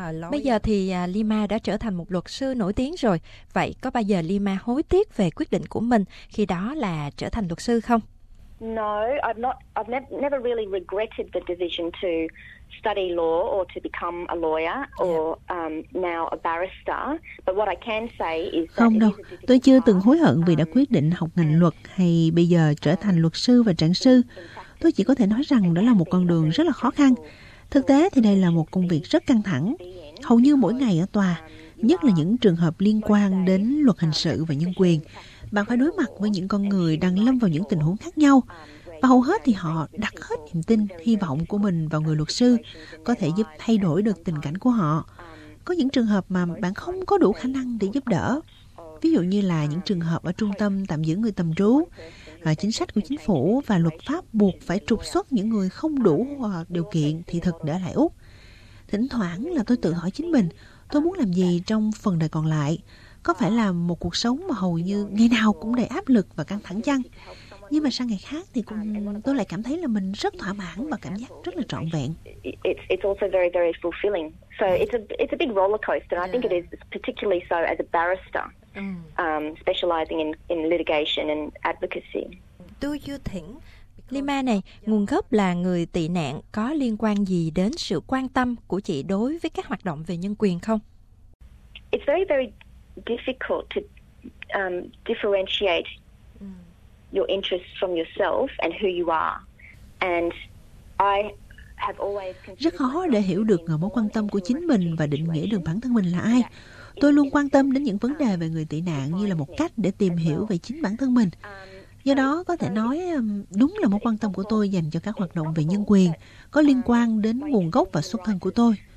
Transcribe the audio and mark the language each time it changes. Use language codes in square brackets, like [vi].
[vi] Bây giờ thì Lima đã trở thành một luật sư nổi tiếng rồi. Vậy có bao giờ Lima hối tiếc về quyết định của mình khi đó là trở thành luật sư không? [en] I've never really regretted the decision to study law or to become a lawyer or now a barrister. But what I can say is that [vi] không đâu. Tôi chưa từng hối hận vì đã quyết định học ngành luật hay bây giờ trở thành luật sư và trạng sư. Tôi chỉ có thể nói rằng đó là một con đường rất là khó khăn. Thực tế thì đây là một công việc rất căng thẳng. Hầu như mỗi ngày ở tòa, nhất là những trường hợp liên quan đến luật hình sự và nhân quyền, bạn phải đối mặt với những con người đang lâm vào những tình huống khác nhau. Và hầu hết thì họ đặt hết niềm tin, hy vọng của mình vào người luật sư có thể giúp thay đổi được tình cảnh của họ. Có những trường hợp mà bạn không có đủ khả năng để giúp đỡ. Ví dụ như là những trường hợp ở trung tâm tạm giữ người tạm trú, chính sách của chính phủ và luật pháp buộc phải trục xuất những người không đủ điều kiện thị thực để lại Úc. Thỉnh thoảng là tôi tự hỏi chính mình, tôi muốn làm gì trong phần đời còn lại? Có phải là một cuộc sống mà hầu như ngày nào cũng đầy áp lực và căng thẳng chăng? Nhưng mà sang ngày khác thì cũng tôi lại cảm thấy là mình rất thỏa mãn và cảm giác rất là trọn vẹn. [en] It's also very very fulfilling. So it's a big roller coaster. I think it is particularly so as a barrister, specializing in litigation and advocacy. Do you think [vi] Lima này, nguồn gốc là người tị nạn có liên quan gì đến sự quan tâm của chị đối với các hoạt động về nhân quyền không? [en] It's very very difficult to differentiate your interests from yourself and who you are. And I have always [vi] rất khó để hiểu được mối quan tâm của chính mình và định nghĩa được bản thân mình là ai. Tôi luôn quan tâm đến những vấn đề về người tị nạn như là một cách để tìm hiểu về chính bản thân mình. Do đó, có thể nói đúng là mối quan tâm của tôi dành cho các hoạt động về nhân quyền có liên quan đến nguồn gốc và xuất thân của tôi.